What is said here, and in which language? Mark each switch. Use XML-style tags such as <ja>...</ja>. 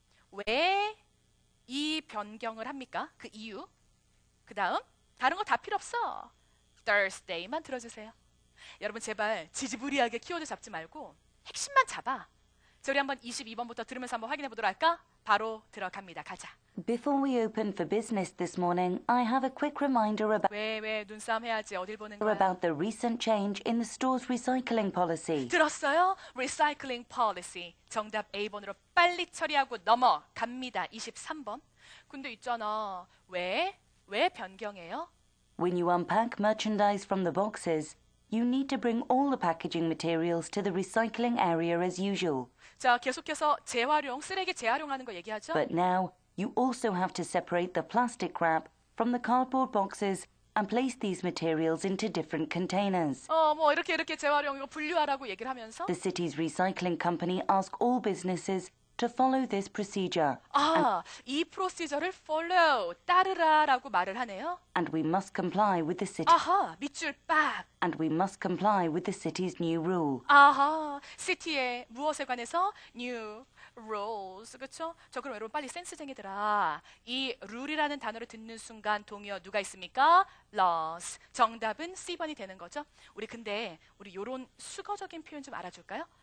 <ko>왜 이 변경을 합니까? 그 이유. 그 다음. 다른 거 다 필요 없어. Thursday만 들어주세요. 여러분 제발 지지부리하게 키워드 잡지 말고 핵심만 잡아. 자, 우리 한번 22번부터 들으면서 한번 확인해 보도록 할까? 바로 들어갑니다. 가자.</ko> <en>Before we open for business this morning, I have a quick reminder about</en> <ko>왜 눈싸움 해야지? 어딜 보는 거야?</ko> <en>About the recent change in the store's recycling policy.</en> <ko>들었어요?</ko> <en>Recycling policy.</en> <ko>정답 A번으로 빨리 처리하고 넘어갑니다. 23번. 근데 있잖아. 왜 변경해요?</ko> <en>When you unpack merchandise from the boxes, you need to bring all the packaging materials to the recycling area as usual.</en> <ko>자, 계속해서 재활용, 쓰레기 재활용하는 거 얘기하죠?</ko> <en>But now, you also have to separate the plastic wrap from the cardboard boxes and place these materials into different containers.</en> <ko>어, 뭐 이렇게 재활용, 이거 분류하라고 얘기를 하면서?</ko> <en>The city's recycling company asks all businesses to follow this procedure.</en> <ko>아, and 이 프로시저를 follow, 따르라라고 말을 하네요.</ko> <en>And we must comply with the city.</en> <ko>아하, 밑줄 빡.</ko> <en>And we must comply with the city's new rule.</en> <ko>아하, 시티의 무엇에 관해서?</ko> <en>New rules,</en> <ko>그렇죠? 저 그럼 여러분 빨리 센스쟁이들아. 이 rule이라는 단어를 듣는 순간 동의어 누가 있습니까?</ko> <en>Laws.</en> <ko>정답은 C번이 되는 거죠. 우리 근데 우리 이런 수거적인 표현 좀 알아줄까요?</ko>